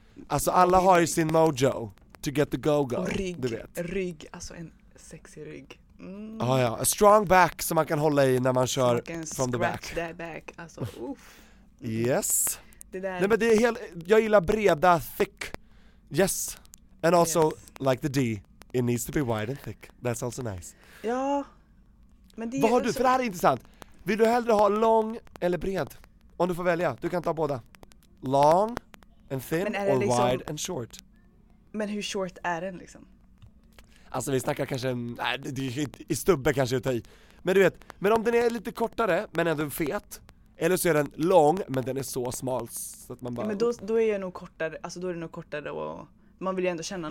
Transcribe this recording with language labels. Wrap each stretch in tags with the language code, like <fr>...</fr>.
<sv>Alltså alla har ju sin mojo</sv> <en>to get the go-go.</en> <sv>Rygg, du vet. Rygg, alltså en sexy rygg. Mm. Ah, ja,</sv> <en>a strong back</en> <sv>som man kan hålla i när man kör</sv> <en>from the back. That back. Alltså,</en> <sv>yes. Det där. Nej, men det är helt, jag gillar breda, thick.</sv> <en>Yes. And also, yes. Like the D, it needs to be wide and thick. That's also nice.</en> <sv>Ja. Men det vad har du? För det här är intressant. Vill du hellre ha lång eller bred? Om du får välja. Du kan ta båda.</sv> <en>Long and thin or liksom, wide and short.</en> <sv>Men hur short är den liksom? Alltså vi snackar kanske i stubbe kanske utav i. Men du vet, men om den är lite kortare men ändå fet. Eller så är den lång men den är så smal så att man bara. Ja, men då är jag nog kortare, alltså då är det nog kortare och man vill ju ändå känna.</sv>